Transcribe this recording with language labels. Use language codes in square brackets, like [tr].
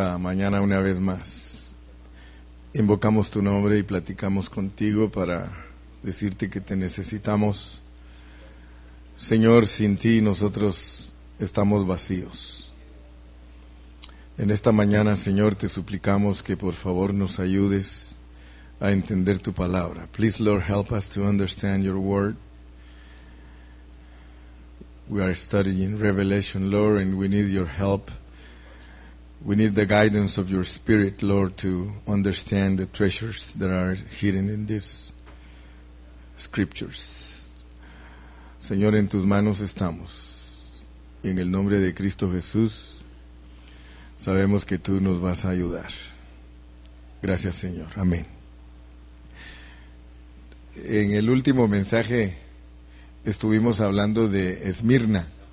[es] Mañana una vez más invocamos tu nombre y platicamos contigo para decirte que te necesitamos. Señor, sin ti nosotros estamos vacíos. En esta mañana, Señor, te suplicamos que por favor nos ayudes a entender tu palabra. [en] Please, Lord, help us to understand your word. We are studying Revelation, Lord, and we need your help. We need the guidance of your Spirit, Lord, to understand the treasures that are hidden in these scriptures. [es] Señor, en tus manos estamos. Y en el nombre de Cristo Jesús, sabemos que tú nos vas a ayudar. Gracias, Señor. Amén. En el último mensaje estuvimos hablando de Esmirna.